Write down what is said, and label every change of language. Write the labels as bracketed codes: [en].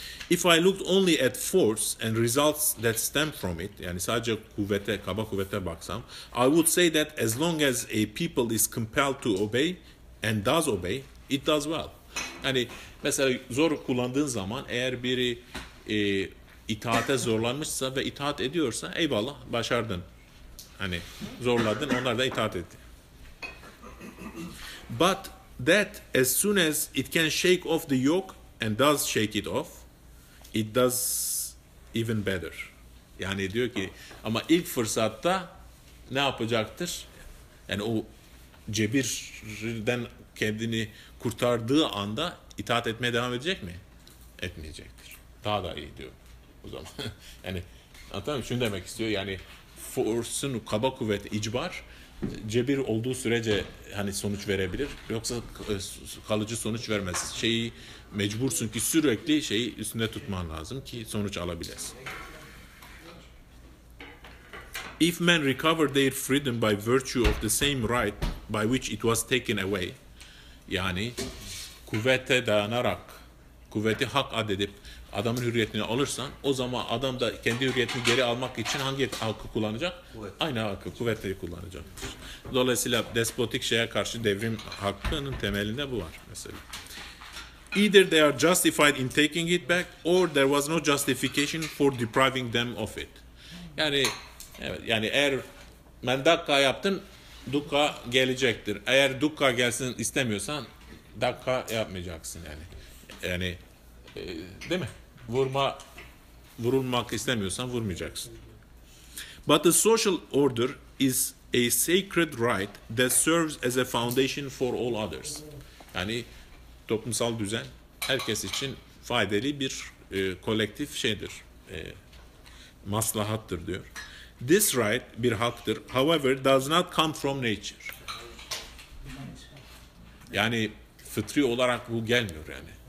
[en] If I looked only at force and results that stem from it, [tr] yani sadece kuvvete, kaba kuvvete baksam, [en] I would say that as long as a people is compelled to obey and does obey, it does well. [tr] Yani mesela zor kullandığın zaman eğer biri itaate zorlanmışsa ve itaat ediyorsa eyvallah başardın. Hani zorladın, onlar da itaat etti. [en] But that as soon as it can shake off the yoke and does shake it off, it does even better. [tr] Yani diyor ki ama ilk fırsatta ne yapacaktır? Yani o cebirden kendini kurtardığı anda itaat etmeye devam edecek mi? Etmeyecektir. Daha da iyi diyor o zaman. Yani anladın mı? Şunu demek istiyor. Yani force'un kaba kuvvet, icbar cebir olduğu sürece hani sonuç verebilir. Yoksa kalıcı sonuç vermez. Şeyi mecbursun ki sürekli şeyi üstünde tutman lazım ki sonuç alabilesin. [en] If men recover their freedom by virtue of the same right by which it was taken away, [tr] yani kuvvete dayanarak kuvveti hak adedip adamın hürriyetini alırsan, o zaman adam da kendi hürriyetini geri almak için hangi hakkı kullanacak? Kuvvet. Aynı hakkı, kuvveti kullanacak. Dolayısıyla despotik şeye karşı devrim hakkının temelinde bu var mesela. [en] Either they are justified in taking it back or there was no justification for depriving them of it. [tr] Yani evet, yani eğer mendaka yaptın, dukka gelecektir. Eğer dukka gelsin istemiyorsan dakka yapmayacaksın yani. Yani değil mi? Vurulmak istemiyorsan vurmayacaksın. [en] But the social order is a sacred right that serves as a foundation for all others. [tr] Yani toplumsal düzen herkes için faydalı bir kolektif şeydir. Maslahattır diyor. [en] This right [tr] bir haktır. [en] However, does not come from nature. [tr] Yani fıtri olarak bu gelmiyor yani.